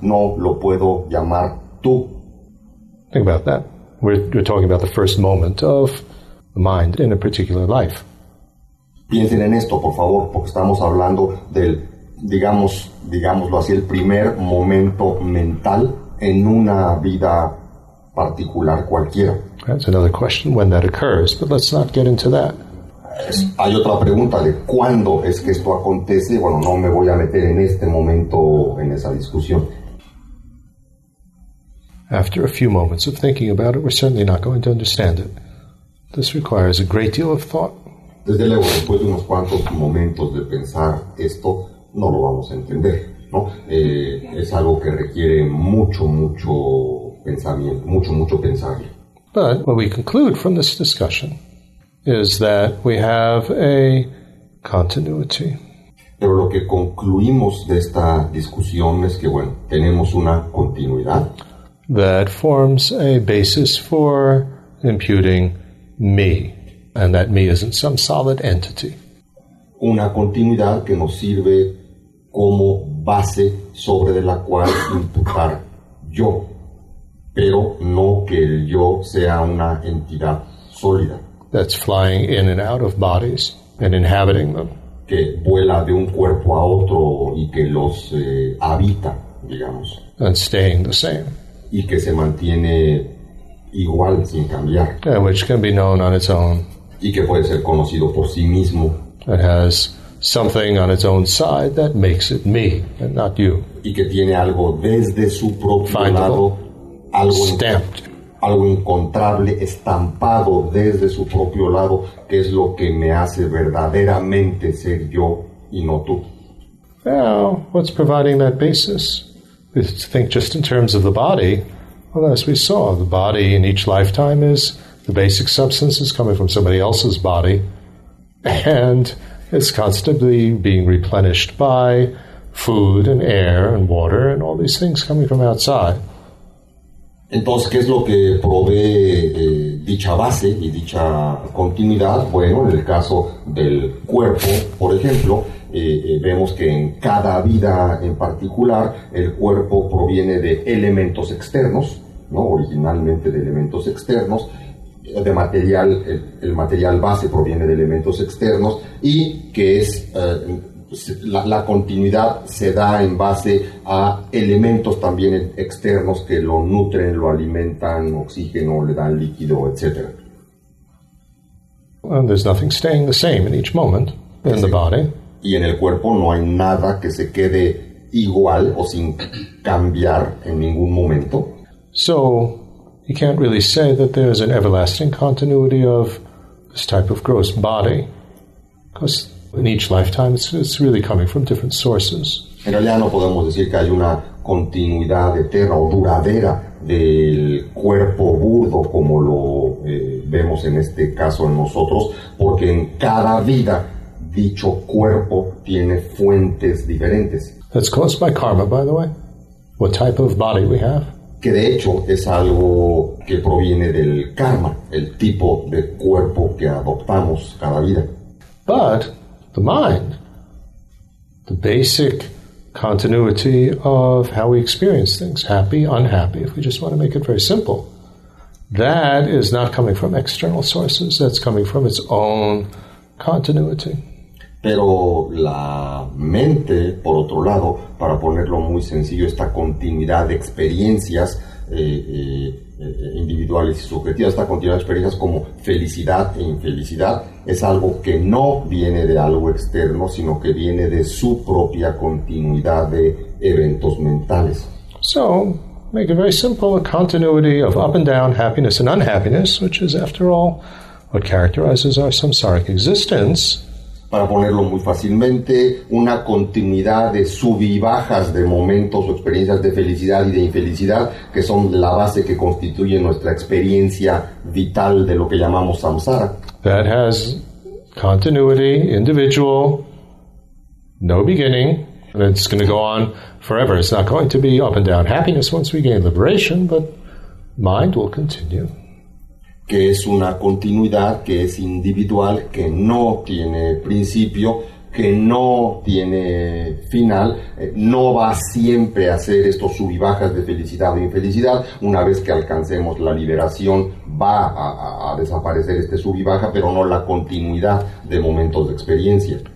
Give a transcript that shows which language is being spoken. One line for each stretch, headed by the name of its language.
Spanish: No lo puedo llamar tú.
English: Think about that. We're talking about the first moment of mind in a particular life.
Spanish: Piensen en esto, por favor, porque estamos hablando del, digámoslo así, el primer momento mental en una vida particular cualquiera.
English: That's another question when that occurs, but let's not get into that.
Spanish: Hay otra pregunta de cuándo es que esto acontece. Bueno, no me voy a meter en este momento en esa discusión.
English: After a few moments of thinking about it, we're certainly not going to understand it. This requires a great deal of thought.
Spanish: Desde luego, después de unos cuantos momentos de pensar esto, no lo vamos a entender, ¿no? Es algo que requiere mucho, mucho pensamiento, mucho, mucho pensar.
English: But what we conclude from this discussion is that we have a continuity.
Spanish: Pero lo que concluimos de esta discusión es que, bueno, tenemos una continuidad.
English: That forms a basis for imputing me, and that me isn't some solid entity.
Spanish: Una continuidad que nos sirve como base sobre de la cual imputar yo, pero no que el yo sea una entidad sólida.
English: That's flying in and out of bodies and inhabiting them.
Spanish: Que vuela de un cuerpo a otro y que los habita, digamos.
English: And staying the same.
Spanish: Y que se mantiene igual, sin cambiar.
English: Yeah, which can be known on its own.
Spanish: Y que puede ser conocido por sí mismo.
English: It has something on its own side that makes it me and not you.
Spanish: Y que tiene algo desde su propio lado, algo
English: stamped,
Spanish: algo encontrable, estampado desde su propio lado, que es lo que me hace verdaderamente ser yo y no tú.
English: Well, what's providing that basis? If you think just in terms of the body, well, as we saw, the body in each lifetime is the basic substance is coming from somebody else's body, and it's constantly being replenished by food and air and water and all these things coming from outside.
Spanish: Entonces, ¿qué es lo que provee dicha base y dicha continuidad? Bueno, en el caso del cuerpo, por ejemplo, vemos que en cada vida en particular, el cuerpo proviene de elementos externos, ¿no? Originalmente de elementos externos. de material, el material base proviene de elementos externos, y que es la continuidad se da en base a elementos también externos que lo nutren, lo alimentan, oxígeno, le dan líquido, etc.
English: And there's nothing staying the same in each moment in the body.
Spanish: Y en el cuerpo no hay nada que se quede igual o sin cambiar en ningún momento.
English: So, you can't really say that there's an everlasting continuity of this type of gross body, because in each lifetime it's really coming from different sources.
Spanish: En realidad no podemos decir que hay una continuidad eterna o duradera del cuerpo burdo como lo vemos en este caso en nosotros, porque en cada vida dicho cuerpo tiene fuentes diferentes.
English: That's caused by karma, by the way. What type of body we have?
Spanish: Que de hecho es algo que proviene del karma, el tipo de cuerpo que adoptamos cada vida.
English: But the mind, the basic continuity of how we experience things, happy, unhappy, if we just want to make it very simple, that is not coming from external sources, that's coming from its own continuity.
Spanish: Pero la mente, por otro lado, para ponerlo muy sencillo, esta continuidad de experiencias individuales y subjetivas, esta continuidad de experiencias como felicidad e infelicidad, es algo que no viene de algo externo, sino que viene de su propia continuidad de eventos mentales.
English: So, make it very simple, a continuity of up and down, happiness and unhappiness, which is, after all, what characterizes our samsaric existence.
Spanish: Para ponerlo muy fácilmente, una continuidad de sub y bajas de momentos o experiencias de felicidad y de infelicidad, que son la base que constituye nuestra experiencia vital de lo que llamamos samsara.
English: That has continuity, individual, no beginning, and it's going to go on forever. It's not going to be up and down happiness once we gain liberation, but mind will continue.
Spanish: Que es una continuidad que es individual, que no tiene principio, que no tiene final, no va siempre a ser estos subibajas de felicidad o infelicidad. Una vez que alcancemos la liberación, va a desaparecer este subibaja, pero no la continuidad de momentos de experiencia.